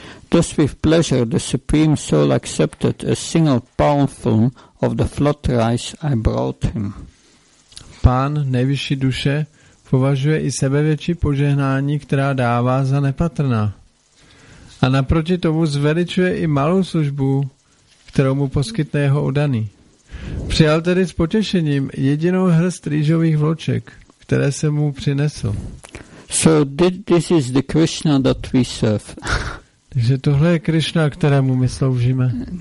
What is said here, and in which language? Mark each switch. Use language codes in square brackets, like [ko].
[en] Thus with pleasure the Supreme Soul accepted a single palmful of the flood rice I brought him. [cs] Pán nejvyšší duše považuje i sebevětší požehnání, která dává za nepatrná. A naproti tomu zveličuje i malou službu, kterou mu poskytne jeho oddaný. Přijal tedy s potěšením jedinou hrst rýžových vloček, které se mu přinesl. [en] So this is the Krishna that we serve. [cs] Takže tohle je Krishna, kterému my sloužíme.